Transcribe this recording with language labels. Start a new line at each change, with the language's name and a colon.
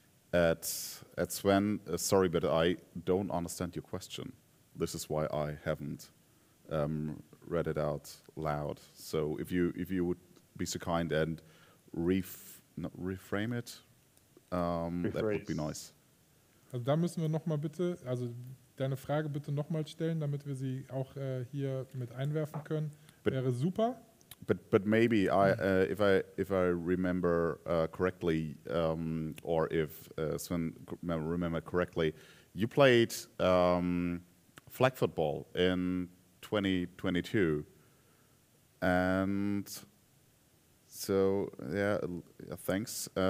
English: At Sven, sorry, but I don't understand your question. This is why I haven't read it out loud. So if you would be so kind and reframe it, that would be nice.
German: Also da müssen wir nochmal bitte, also deine Frage bitte nochmal stellen, damit wir sie auch hier mit einwerfen können. Wäre super.
English: But maybe if I remember correctly, or if Sven remember correctly, you played flag football in 2022, and so yeah, thanks.